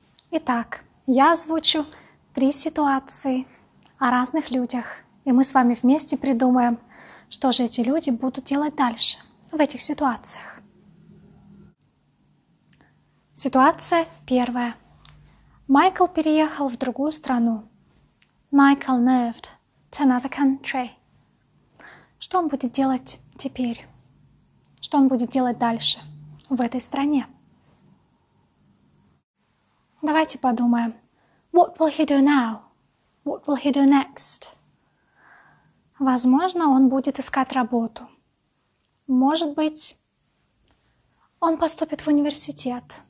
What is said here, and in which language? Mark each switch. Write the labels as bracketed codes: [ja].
[ru] Итак, я озвучу три ситуации о разных людях. И мы с вами вместе придумаем, что же эти люди будут делать дальше в этих ситуациях. Ситуация первая. Майкл переехал в другую страну. [en] Michael moved to another country. [ru] Что он будет делать теперь? Что он будет делать дальше в этой стране? Давайте подумаем. [en] What will he do now? What will he do next? [ru] Возможно, он будет искать работу. Может быть, он поступит в университет.